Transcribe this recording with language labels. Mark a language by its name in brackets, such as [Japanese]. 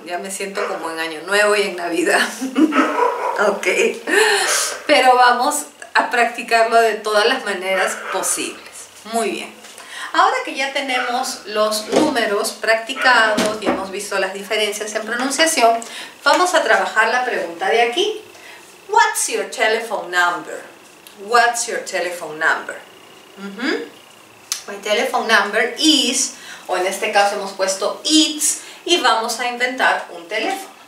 [Spanish] Ya me siento como en Año Nuevo y en Navidad. Ok. Pero vamos a practicarlo de todas las maneras posibles. Muy bien. Ahora que ya tenemos los números practicados y hemos visto las diferencias en pronunciación, vamos a trabajar la pregunta de aquí. [English] What's your telephone number? What's your telephone number? My telephone number is, [Spanish] o en este caso hemos puesto it's, y vamos a inventar un teléfono.